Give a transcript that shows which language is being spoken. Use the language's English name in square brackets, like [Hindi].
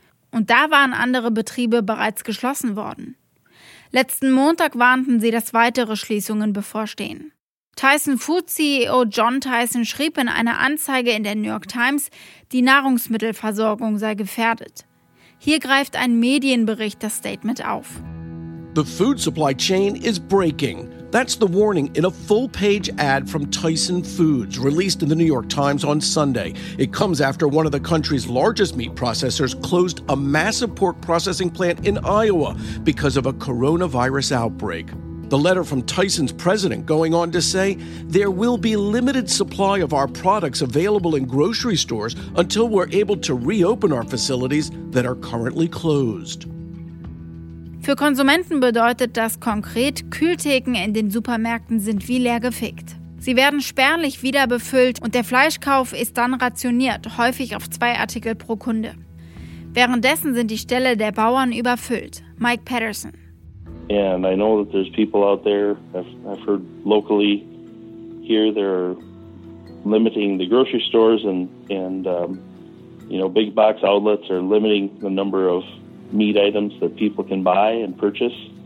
[German] Und da waren andere Betriebe bereits geschlossen worden. Letzten Montag warnten sie, dass weitere Schließungen bevorstehen. Tyson Foods CEO John Tyson schrieb in einer Anzeige in der New York Times, die Nahrungsmittelversorgung sei gefährdet. Hier greift ein Medienbericht das Statement auf. [English] The food supply chain is breaking. That's the warning in a full-page ad from Tyson Foods, released in the New York Times on Sunday. It comes after one of the country's largest meat processors closed a massive pork processing plant in Iowa because of a coronavirus outbreak. The letter from Tyson's president going on to say, there will be limited supply of our products available in grocery stores until we're able to reopen our facilities that are currently closed. [German] Für Konsumenten bedeutet das konkret, Kühltheken in den Supermärkten sind wie leer gefickt. Sie werden spärlich wieder befüllt und der Fleischkauf ist dann rationiert, häufig auf 2 Artikel pro Kunde. Währenddessen sind die Ställe der Bauern überfüllt. Mike Patterson. [English] And I know that there's people out there, I've heard locally here, they're limiting the grocery stores and big box outlets are limiting the number of meat items that people can buy and purchase.